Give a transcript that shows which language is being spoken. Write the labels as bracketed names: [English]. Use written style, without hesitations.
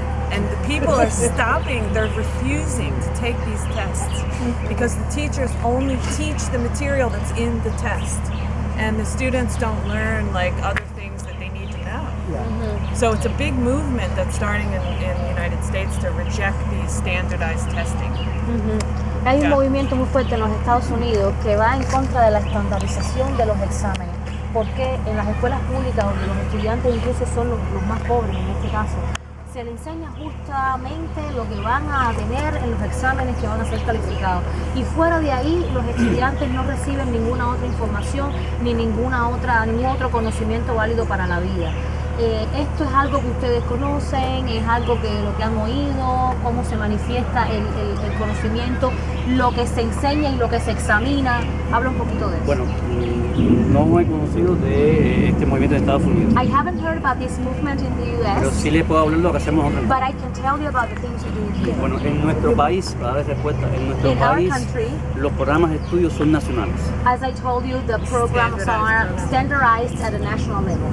[English] And the people are stopping, they're refusing to take these tests because the teachers only teach the material that's in the test. and the students don't learn like other things that they need to know. Yeah. Mm-hmm. So it's a big movement that's starting in the United States to reject these standardized testing. Mm-hmm. [Spanish] Hay un movimiento muy fuerte en los Estados Unidos que va en contra de la estandarización de los exámenes. Porque en las escuelas públicas donde los estudiantes incluso son los más pobres en este caso, se les enseña justamente lo que van a tener en los exámenes que van a ser calificados. Y fuera de ahí, los estudiantes no reciben ninguna otra información ni ninguna otra, ningún otro conocimiento válido para la vida. Esto es algo que ustedes conocen, es algo que lo que han oído, cómo se manifiesta el conocimiento, lo que se enseña y lo que se examina. Habla un poquito de eso. Bueno, no he conocido de este movimiento en Estados Unidos. [English] I haven't heard about this movement in the US. [Spanish] Pero sí le puedo hablar de lo que hacemos nosotros. [English] But I can tell you about the things you do here. [Spanish] Bueno, en nuestro país, para dar respuesta, en nuestro [English] in [Spanish] país, [English] country, [Spanish] los programas de estudio son nacionales. [English] As I told you, the programs are standardized at a national level.